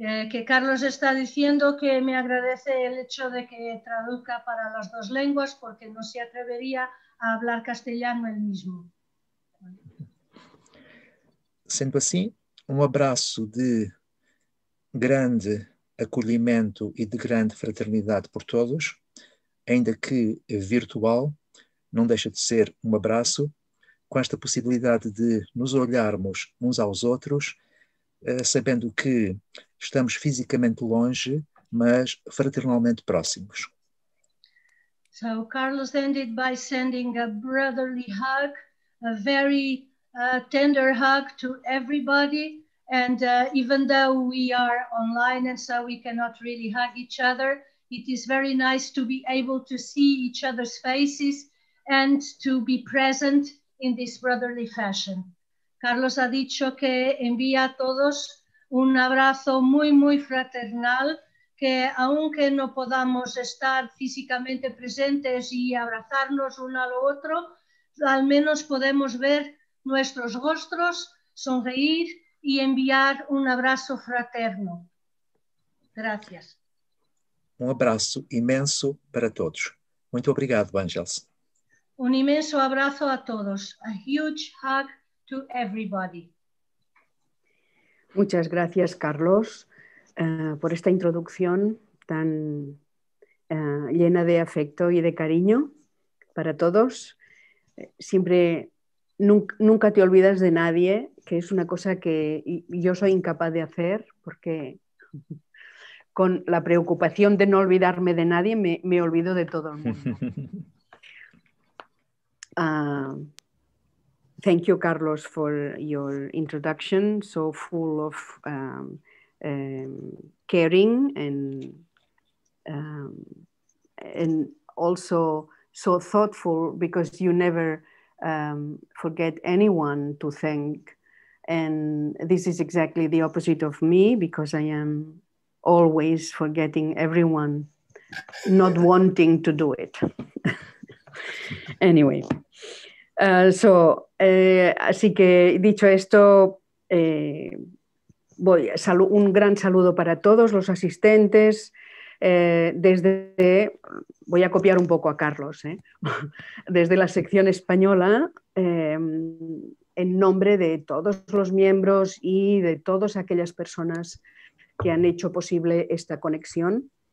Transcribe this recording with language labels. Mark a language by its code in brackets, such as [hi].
[es] Que Carlos está diciendo que me agradece el hecho de que traduzca para las dos lenguas porque no se atrevería a hablar castellano él mismo. [pt] Sendo así, [es] un abrazo [pt] de grande acolhimento e de grande fraternidade por todos, ainda que virtual, não deixa de ser um abraço, com esta possibilidade de nos olharmos uns aos outros, sabendo que estamos fisicamente longe, mas fraternalmente próximos. [en] So Carlos ended by sending a brotherly hug, a very tender hug to everybody. And even though we are online and so we cannot really hug each other, it is very nice to be able to see each other's faces and to be present in this brotherly fashion. [es] Carlos ha dicho que envía a todos un abrazo muy, muy fraternal, que aunque no podamos estar físicamente presentes y abrazarnos uno al otro, al menos podemos ver nuestros rostros, sonreír y enviar un abrazo fraterno. Gracias. Un abrazo inmenso para todos. [pt] Muito obrigado, [es] Ángeles. Un inmenso abrazo a todos. [en] A huge hug to everybody. [es] Muchas gracias, Carlos, por esta introducción tan llena de afecto y de cariño para todos. Siempre, nunca te olvidas de nadie, que es una cosa que yo soy incapaz de hacer, porque con la preocupación de no olvidarme de nadie, me olvido de todo el mundo. [en] Thank you, Carlos, for your introduction, so full of caring and also so thoughtful, because you never forget anyone to thank. And this is exactly the opposite of me, because I am always forgetting everyone, not wanting to do it. Anyway. [es] Así que dicho esto, un gran saludo para todos los asistentes. Voy a copiar un poco a Carlos, desde la sección española, en nombre de todos los miembros y de todas aquellas personas que han hecho posible esta conexión.